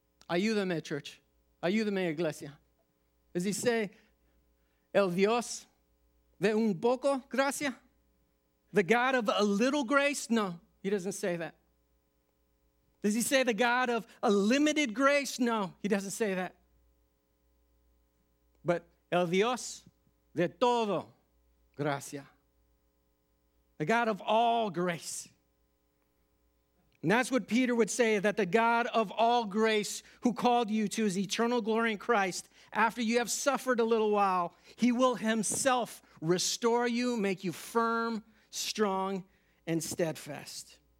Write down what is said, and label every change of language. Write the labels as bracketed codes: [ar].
[es] Ayúdame, [en] church. [es] Ayúdame, iglesia. [en] Does he say, [es] el Dios de un poco gracia? [en] The God of a little grace? No, he doesn't say that. Does he say the God of a limited grace? No, he doesn't say that. [es] But el Dios de todo gracia. [en] The God of all grace. And that's what Peter would say, that the God of all grace who called you to his eternal glory in Christ, after you have suffered a little while, he will himself restore you, make you firm, strong, and steadfast.